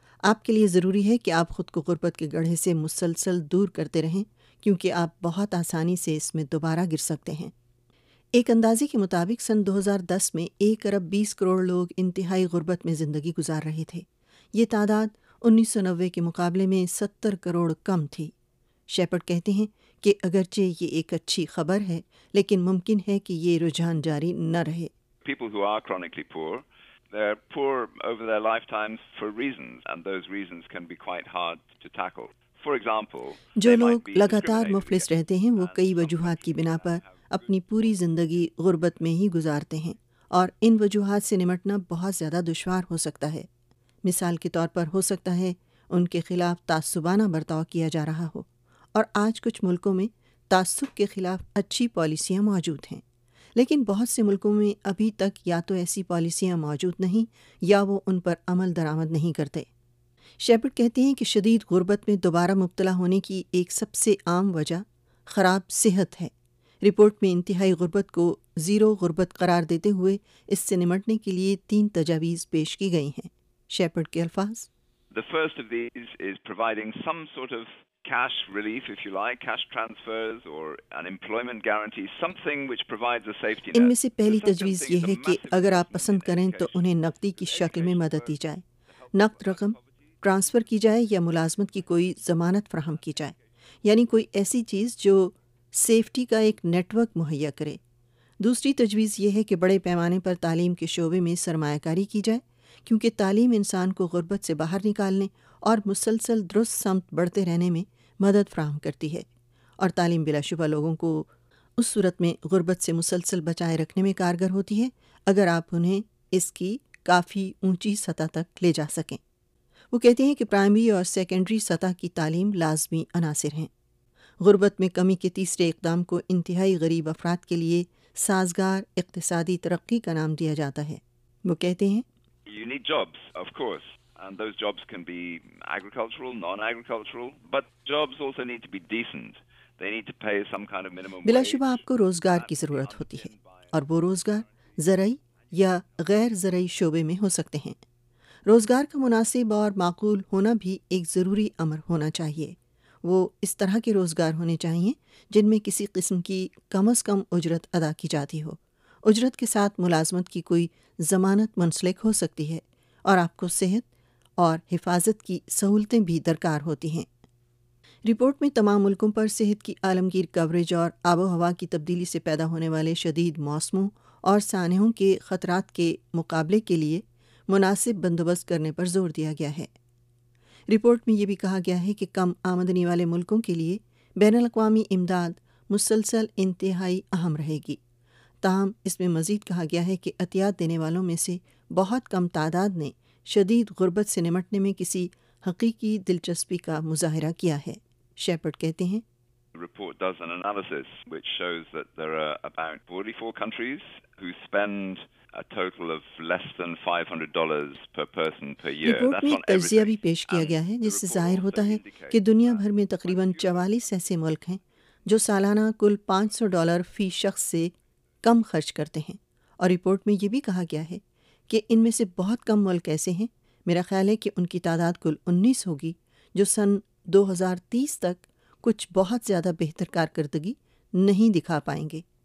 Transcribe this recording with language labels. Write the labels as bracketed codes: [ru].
[ur] آپ کے لیے ضروری ہے کہ آپ خود کو غربت کے گڑھے سے مسلسل دور کرتے رہیں، کیونکہ آپ بہت آسانی سے اس میں دوبارہ گر سکتے ہیں۔ ایک اندازے کے مطابق سن 2010 میں 1 ارب 20 کروڑ لوگ انتہائی غربت میں زندگی گزار رہے تھے۔ یہ تعداد 1990 کے مقابلے میں 70 کروڑ کم تھی۔ شیپرڈ کہتے ہیں کہ اگرچہ یہ ایک اچھی خبر ہے لیکن ممکن ہے کہ یہ رجحان جاری نہ رہے. [en] People who are chronically poor, they're poor over their lifetimes for reasons, and those reasons can be quite hard to tackle. For example, [ur] جو لوگ لگاتار مفلس رہتے ہیں وہ کئی وجوہات کی بنا پر اپنی پوری زندگی غربت میں ہی گزارتے ہیں اور ان وجوہات سے نمٹنا بہت زیادہ دشوار ہو سکتا ہے. مثال کے طور پر ہو سکتا ہے ان کے خلاف تعصبانہ برتاؤ کیا جا رہا ہو, اور آج کچھ ملکوں میں تعصب کے خلاف اچھی پالیسیاں موجود ہیں, لیکن بہت سے ملکوں میں ابھی تک یا تو ایسی پالیسیاں موجود نہیں یا وہ ان پر عمل درآمد نہیں کرتے. شیپرڈ کہتے ہیں کہ شدید غربت میں دوبارہ مبتلا ہونے کی ایک سب سے عام وجہ خراب صحت ہے. رپورٹ میں انتہائی غربت کو زیرو غربت قرار دیتے ہوئے اس سے نمٹنے کے لیے تین تجاویز پیش کی گئی ہیں. شیپرڈ کے الفاظ, [en] The first of these is providing some sort of cash relief, if you like, cash transfers or an employment guarantee, something which provides a safety net. [ur] ان میں سے پہلی تجویز یہ ہے کہ اگر آپ پسند کریں تو انہیں نقدی کی شکل میں مدد دی جائے, نقد رقم ٹرانسفر کی جائے یا ملازمت کی کوئی ضمانت فراہم کی جائے, یعنی کوئی ایسی چیز جو سیفٹی کا ایک نیٹورک مہیا کرے. دوسری تجویز یہ ہے کہ بڑے پیمانے پر تعلیم کے شعبے میں سرمایہ کاری کی جائے, کیونکہ تعلیم انسان کو غربت سے باہر نکالنے اور مسلسل درست سمت بڑھتے رہنے میں مدد فراہم کرتی ہے, اور تعلیم بلا شبہ لوگوں کو اس صورت میں غربت سے مسلسل بچائے رکھنے میں کارگر ہوتی ہے اگر آپ انہیں اس کی کافی اونچی سطح تک لے جا سکیں. وہ کہتے ہیں کہ پرائمری اور سیکنڈری سطح کی تعلیم لازمی عناصر ہیں. غربت میں کمی کے تیسرے اقدام کو انتہائی غریب افراد کے لیے سازگار اقتصادی ترقی کا نام دیا جاتا ہے. وہ کہتے ہیں, [en] You need jobs, of course, and those jobs can be agricultural, non-agricultural, but jobs also need to be decent. They need to pay some kind of minimum wage. [ur] بلا شبہ آپ کو روزگار کی ضرورت ہوتی ہے, اور وہ روزگار زرعی یا غیر زرعی شعبے میں ہو سکتے ہیں. روزگار کا مناسب اور معقول ہونا بھی ایک ضروری امر ہونا چاہیے. وہ اس طرح کے روزگار ہونے چاہیے جن میں کسی قسم کی کم از کم اجرت ادا کی جاتی ہو. اجرت کے ساتھ ملازمت کی کوئی ضمانت منسلک ہو سکتی ہے, اور آپ کو صحت اور حفاظت کی سہولتیں بھی درکار ہوتی ہیں. رپورٹ میں تمام ملکوں پر صحت کی عالمگیر کوریج اور آب و ہوا کی تبدیلی سے پیدا ہونے والے شدید موسموں اور سانحوں کے خطرات کے مقابلے کے لیے مناسب بندوبست کرنے پر زور دیا گیا ہے. رپورٹ میں یہ بھی کہا گیا ہے کہ کم آمدنی والے ملکوں کے لیے بین الاقوامی امداد مسلسل انتہائی اہم رہے گی. تاہم اس میں مزید کہا گیا ہے کہ عطیات دینے والوں میں سے بہت کم تعداد نے شدید غربت سے نمٹنے میں کسی حقیقی دلچسپی کا مظاہرہ کیا ہے. شیپرڈ کہتے ہیں, [en] Report does an analysis which shows that there are about 44 countries who spend a total of less than $500 per person per year. [ur] Report میں تجزیہ بھی پیش کیا گیا ہے جس سے ظاہر ہوتا ہے کہ دنیا بھر میں تقریباً 44 ایسے ملک ہیں جو سالانہ کل $500 فی شخص سے کم خرچ کرتے ہیں. اور رپورٹ میں یہ بھی کہا گیا ہے کہ ان میں سے بہت کم ملک ایسے ہیں, میرا خیال ہے کہ ان کی تعداد کل 19 ہوگی, جو سن 2030 تک کچھ بہت زیادہ بہتر کارکردگی نہیں دکھا پائیں گے.